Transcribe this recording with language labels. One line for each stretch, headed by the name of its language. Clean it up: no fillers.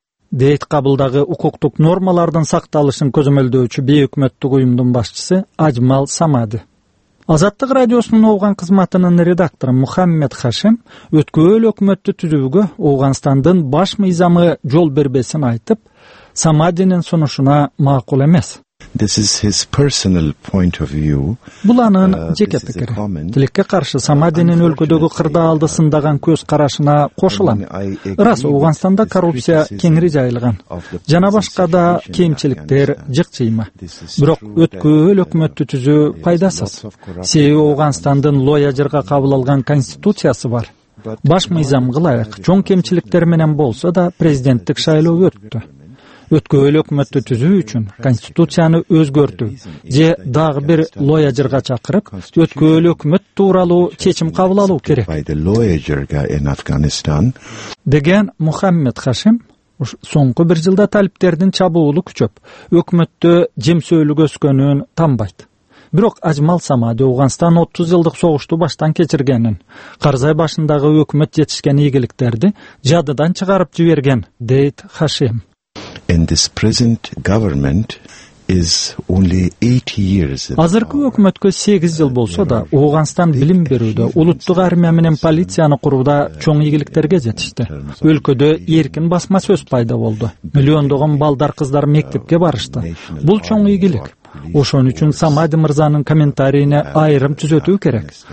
Kyrgyz: Дейт кабылдагы укуктук нормалардын сакталышын көзөмөлдөөчү бейөкмөттүк уюмдун башчысы Ажмал Самади. Азаттык радиосунун ооган кызматынын редактору Мухаммед Хашим өткөөл өкмөттү түзүүгө Ооганстандын баш мыйзамы жол бербесин айтып, Самадинин сунушуна макул эмес.
English: This is his personal point of view.
Kyrgyz: Бул анын жеке пикири. Тилекке каршы Самадинин өлкөдөгү кырдаалды сындаган көз карашына кошулам. Ырас, Ооганстанда коррупция кеңири жайылган жана башка да кемчиликтер жык жыйма. Бирок өткөөл өкмөттү түзүү пайдасыз. Себеби Ооганстандын лоя жырга кабыл алган конституциясы бар. Баш мыйзам кылайык, чоң кемчиликтер менен болсо да президенттик шайлоо өттү. Өткөөл өкмөттү түзүү үчүн конституцияны өзгөртүү же дагы бир лоя жырга чакырып, өткөөл өкмөт тууралуу чечим кабыл алуу керек деген Мухаммед Хашим соңку бир жылда талиптердин чабуулу күчөп, өкмөттө жемсөөлүк өскөнүн тамбайт. Бирок Ажмал Самади Ооганстан 30 жылдык согушту баштан кечиргенин, Карзай башындагы өкмөт жетишкен ийгиликтерди жадыдан чыгарып жиберген, дейт Хашим.
English: In this present government is only 8 years.
Kyrgyz: Азыркы өкмөткө 8 жыл болсо да, Ооганстан билим берүүдө, улуттук армия менен полицияны курууда чоң ийгиликтерге жетишти. Өлкөдө эркин басма сөз пайда болду. Миллиондогон балдар кыздар мектепке барышты. Бул чоң ийгилик. Ошон үчүн Самади мырзанын комментарийине айрым түзөтүү керек.